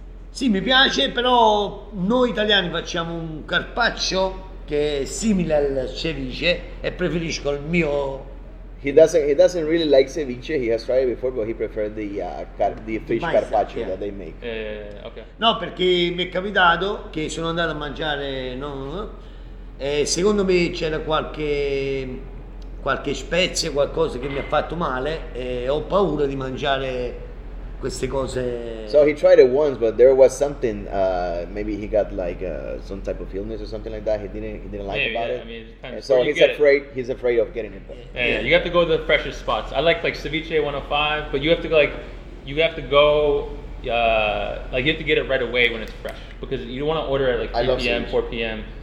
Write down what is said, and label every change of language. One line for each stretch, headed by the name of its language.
Italian: sì, mi piace, però noi italiani facciamo un carpaccio che è simile al ceviche e preferisco il mio...
English: He doesn't really like ceviche. He has tried it before, but he prefers the fish carpaccio that they make. Okay.
Italian: No, perché mi è capitato che sono andato a mangiare, no? E secondo me c'era qualche spezia, qualcosa che mi ha fatto male e ho paura di mangiare queste cose.
English: So he tried it once, but there was something, maybe he got like some type of illness or something like that. He didn't like about it. I mean, so he's afraid of getting it. Yeah. You have to go to the freshest spots. I like Ceviche 105, but you have to get it right away when it's fresh, because you don't want to order it like 3 p.m., 4 p.m.